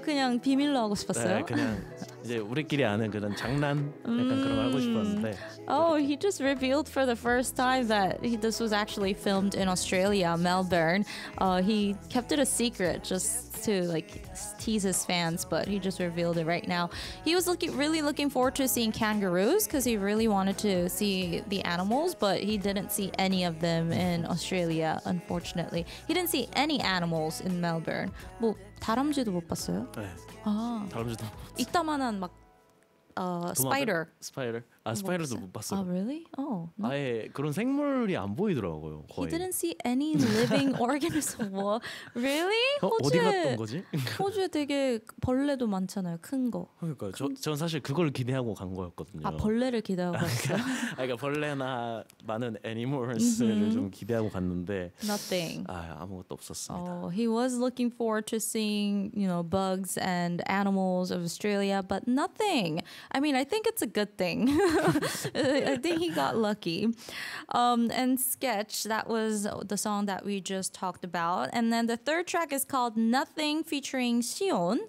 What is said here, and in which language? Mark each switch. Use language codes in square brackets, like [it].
[ko] 그냥 비밀로 하고 싶었어요? 네, 그냥 이제 우리끼리 아는 그런 장난 약간 그런 걸 하고 싶었는데 [en] He just revealed for the first time that this was actually filmed in Australia, Melbourne. He kept it a secret just to like tease his fans, but he just revealed it right now. He was really looking forward to seeing kangaroos because he really wanted to see the animals, but he didn't see any of them in Australia, unfortunately. He didn't see any animals in Melbourne. [ko] 뭐 다람쥐도 못 봤어요? 네. 다람쥐도 못 봤어요. 이따만한 막 스파이더. 스파이더. 아 스파이럴도 못 봤어요. 아 [en] really? [ko] 어. 아예 그런 생물이 안 보이더라고요. 거의. [en] He didn't see any living organism. Really? [ko] 어디 갔던 거지? 호주에 되게 벌레도 많잖아요. 큰 거. 그러니까 저는 사실 그걸 기대하고 간 거였거든요. 아 벌레를 기대하고 갔어요? 그러니까 벌레나 많은 animals를 mm-hmm. 좀 기대하고 갔는데. [en] Nothing. [ko] 아 아무것도 없었습니다. [en] Oh, he was looking forward to seeing, you know, bugs and animals of Australia, but nothing. I mean, I think it's a good thing. I think he got lucky. And Sketch, that was the song that we just talked about. And then the third track is called Nothing featuring Sion.